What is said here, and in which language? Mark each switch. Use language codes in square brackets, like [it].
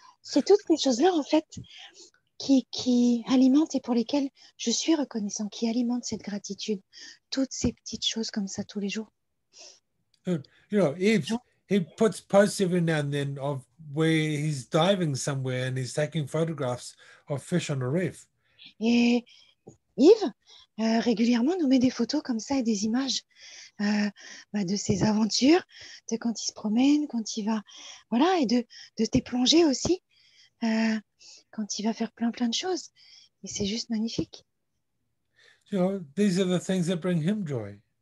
[fr] C'est toutes ces choses-là, en fait, qui alimentent et pour lesquelles je suis reconnaissant, qui alimentent cette gratitude. Toutes ces petites choses comme ça tous les jours. [en] You know, he puts posts every now and then of where he's diving somewhere and he's taking photographs of fish on a reef. [fr] Et Yves régulièrement nous met des photos comme ça et des images de ses aventures, de quand il se promène, quand il va, voilà, et de tes plongées aussi, quand il va faire plein de choses. Et c'est juste magnifique. [en] You know, these are the things that bring him joy.